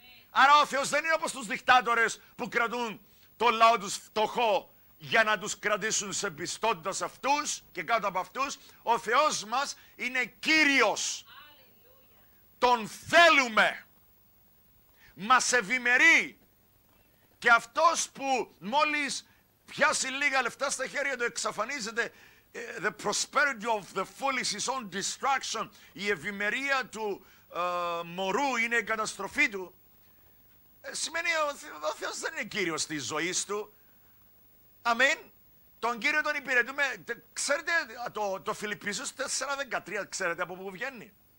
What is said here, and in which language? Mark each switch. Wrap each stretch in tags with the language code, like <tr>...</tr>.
<el>Άρα ο Θεός δεν είναι όπως τους δικτάτορες που κρατούν το λαό τους φτωχό για να τους κρατήσουν σε πιστότητα σε αυτούς και κάτω από αυτούς. Ο Θεός μας είναι Κύριος. Alleluia. Τον θέλουμε. Μας ευημερεί. Και αυτός που μόλις πιάσει λίγα λεφτά στα χέρια του εξαφανίζεται.</el> <en>The prosperity of the fool is his own destruction.</en> <el>Η ευημερία του μωρού είναι η καταστροφή του. Σημαίνει ότι ο Θεός δεν είναι Κύριος της ζωής του. Αμήν. Τον Κύριο τον υπηρετούμε. Ξέρετε το Φιλιππίσιος 4.13, ξέρετε από πού βγαίνει?</el>